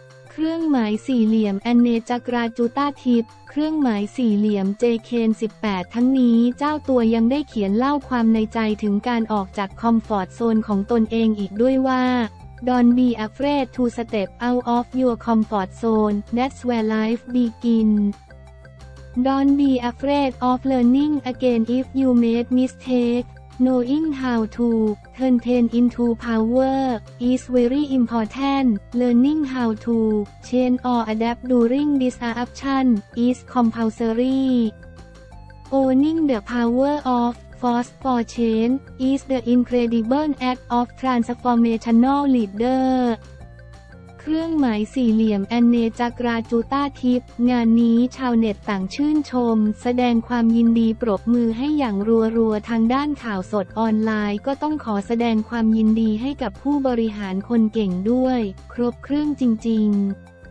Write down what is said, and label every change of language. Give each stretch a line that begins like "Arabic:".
Thai: เครื่องหมายสี่เหลี่ยมแอนเนจักราจุฑาทิพย์เครื่องหมายสี่เหลี่ยม JKN 18ทั้งนี้เจ้าตัวยังได้เขียนเล่าความในใจถึงการออกจากคอมฟอร์ตโซนของตนเองอีกด้วยว่า
English: Don't be afraid to step out of your comfort zone, that's where life begins. Don't be afraid of learning again if you made mistake, Knowing how to turn pain into power is very important. Learning how to change or adapt during disruption is compulsory. Owning the power of force for change is the incredible act of transformational leader.
Thai: เครื่องหมายสี่เหลี่ยมแอนเนจักราจูต้าทิพย์งานนี้ชาวเน็ตต่างชื่นชมแสดงความยินดีปรบมือให้อย่างรัวๆทางด้านข่าวสดออนไลน์ก็ต้องขอแสดงความยินดีให้กับผู้บริหารคนเก่งด้วยครบเครื่องจริงๆ